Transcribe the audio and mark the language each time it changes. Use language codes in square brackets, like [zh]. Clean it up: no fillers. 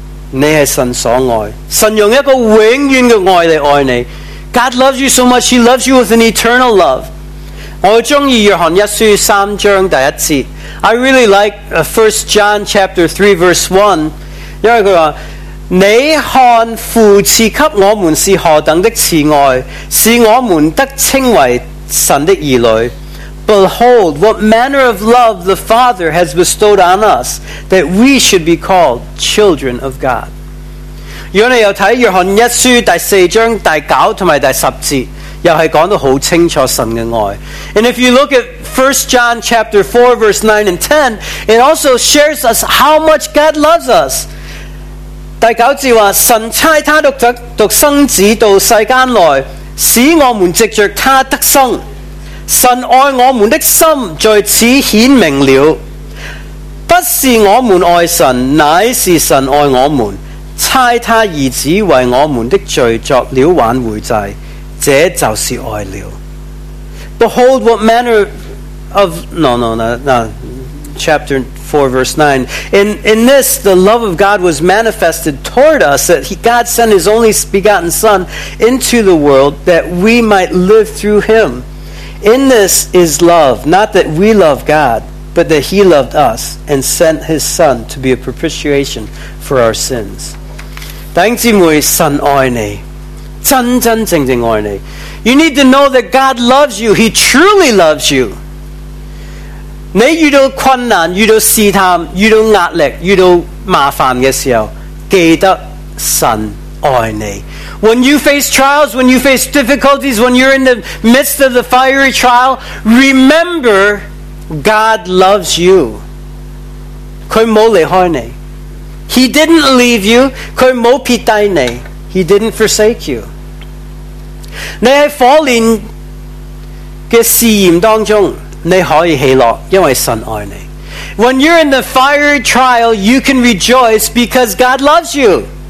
[zh] 你是神所爱，神用一个永远的爱来爱你。 [en] God loves you so much, he loves you with an eternal love. [zh] 我很喜欢约翰一书三章第一节。 [en] I really like 1 John chapter 3 verse 1, [zh] 因为他说，你看父赐给我们是何等的慈爱，使我们得称为神的儿女。 [en] Behold, what manner of love the Father has bestowed on us, that we should be called children of God. [zh] 如果你又看约翰一书第四章第九和第十节，又是讲得很清楚神的爱。 [en] And if you look at 1 John chapter 4 verse 9 and 10, it also shares us how much God loves us. [zh] 第九节说，神差他独生子到世间来，使我们藉着他得生。神爱我们的心在此显明了，不是我们爱神，乃是神爱我们，差他儿子为我们的罪作了挽回祭，这就是爱了。 [en] Behold what manner of chapter 4 verse 9, in this the love of God was manifested toward us, that God sent his only begotten son into the world that we might live through him. In this is love, not that we love God, but that he loved us and sent his son to be a propitiation for our sins. [zh] 弟兄姊妹，神爱你，真真正正爱你。 [en] You need to know that God loves you. He truly loves you. [zh] 你遇到困难，遇到试探，遇到压力，遇到麻烦的时候，记得神爱你。 [en] When you face trials, when you face difficulties, when you're in the midst of the fiery trial, remember, God loves you. [zh] 他没离开你。 [en] He didn't leave you. [zh] 他没撇低你。 [en] He didn't forsake you. [zh] 你在火炼的试验当中，你可以喜乐，因为神爱你。 [en] When you're in the fiery trial, you can rejoice because God loves you.